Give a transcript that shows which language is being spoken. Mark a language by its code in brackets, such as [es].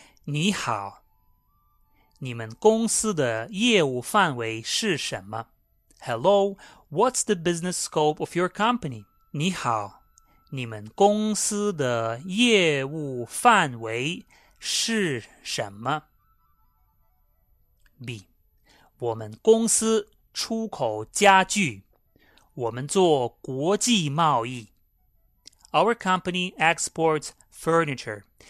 [zh] 你好你们公司的业务范围是什么? [en] Hello, what's the business scope of your company? [zh] 你好你们公司的业务范围是什么? B. 我们公司出口家具。我们做国际贸易。 [en] Our company exports furniture.